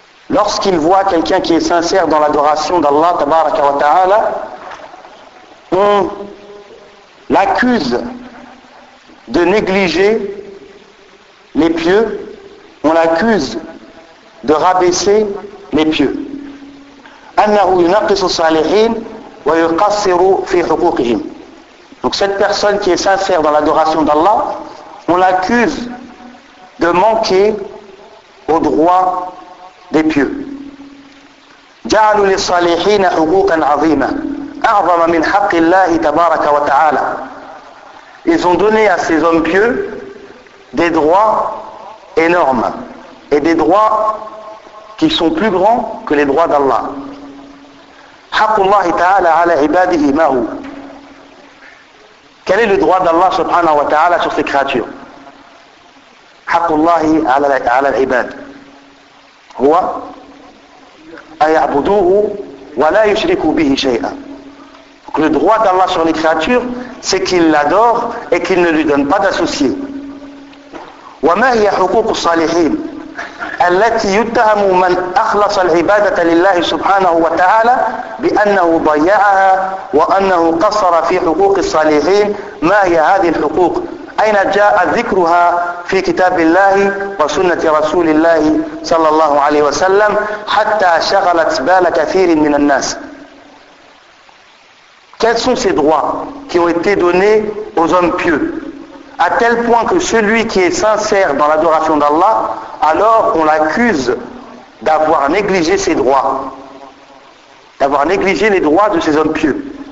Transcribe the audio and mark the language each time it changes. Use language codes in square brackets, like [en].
[fr] Lorsqu'ils voient quelqu'un qui est sincère dans l'adoration d'Allah tabaraka wa ta'ala, on l'accuse de négliger les pieux, on l'accuse de rabaisser les pieux. [ar] انه ينقص الصالحين ويقصر في حقوقهم. [fr] Donc cette personne qui est sincère dans l'adoration d'Allah, on l'accuse de manquer aux droits des pieux. [ar] جعلوا للصالحين حقوقا عظيمة أعظم من حق الله تبارك وتعالى. [fr] Ils ont donné à ces hommes pieux des droits énormes et des droits qui sont plus grands que les droits d'Allah. [ar] حق الله تعالى على عباده ما هو. [fr] Quel est le droit d'Allah subhanahu wa ta'ala sur ses créatures? [ar] حق الله على العباد هو أيعبدوه ولا يشركوا به شيئا. [fr] Donc le droit d'Allah sur les créatures, c'est qu'il l'adore et qu'il ne lui donne pas d'associés. [ar] وما هي حقوق الصالحين التي يتهم من أخلص العبادة لله سبحانه وتعالى بأنه ضيعها وأنه قصر في حقوق الصالحين. ما هي هذه الحقوق؟ أين جاء ذكرها في كتاب الله وسنة رسول الله صلى الله عليه وسلم حتى شغلت بال كثير من الناس؟ [fr] Quels sont ces droits qui ont été donnés aux hommes pieux, à tel point que celui qui est sincère dans l'adoration d'Allah, alors on l'accuse d'avoir négligé ses droits, d'avoir négligé les droits de ces hommes pieux.